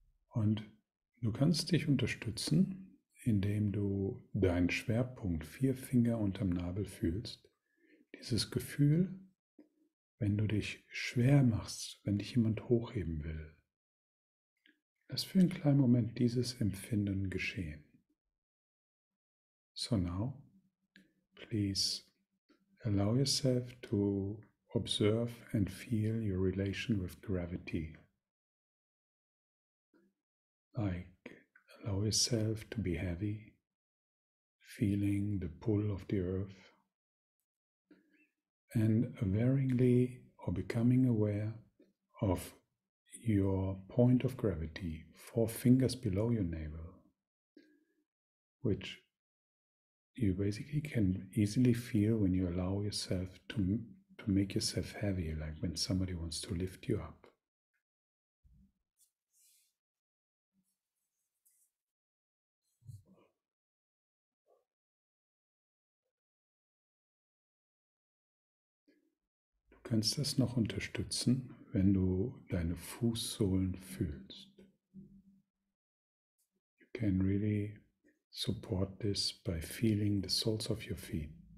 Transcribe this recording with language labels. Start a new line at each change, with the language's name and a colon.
German: Und du kannst dich unterstützen, indem du deinen Schwerpunkt vier Finger unterm Nabel fühlst. Dieses Gefühl, wenn du dich schwer machst, wenn dich jemand hochheben will, lass für einen kleinen Moment dieses Empfinden geschehen.
English: So now, please allow yourself to observe and feel your relation with gravity. Like, allow yourself to be heavy, feeling the pull of the earth, and varyingly or becoming aware of your point of gravity, four fingers below your navel, which you basically can easily feel when you allow yourself to make yourself heavy, like when somebody wants to lift you up.
German: Du kannst das noch unterstützen, wenn du deine Fußsohlen fühlst.
English: You can really support this by feeling the soles of your feet.